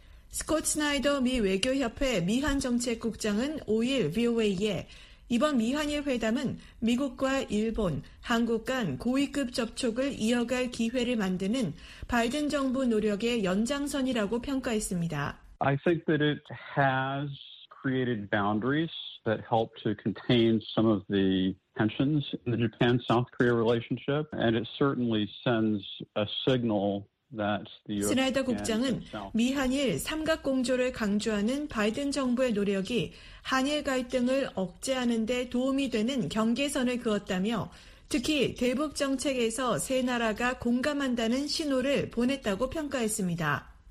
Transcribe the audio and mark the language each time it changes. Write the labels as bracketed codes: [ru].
[ko] 스콧 스나이더 미 외교협회 미한정책국장은 5일 VOA에 이번 미한일 회담은 미국과 일본, 한국 간 고위급 접촉을 이어갈 기회를 만드는 바이든 정부 노력의 연장선이라고 평가했습니다. [en] I think that it has created boundaries that help to contain some of the tensions in the Japan-South Korea relationship, and it certainly sends a signal. [ko] 스나이더 국장은 미한일 삼각공조를 강조하는 바이든 정부의 노력이 한일 갈등을 억제하는 데 도움이 되는 경계선을 그었다며 특히 대북 정책에서 세 나라가 공감한다는 신호를 보냈다고 평가했습니다.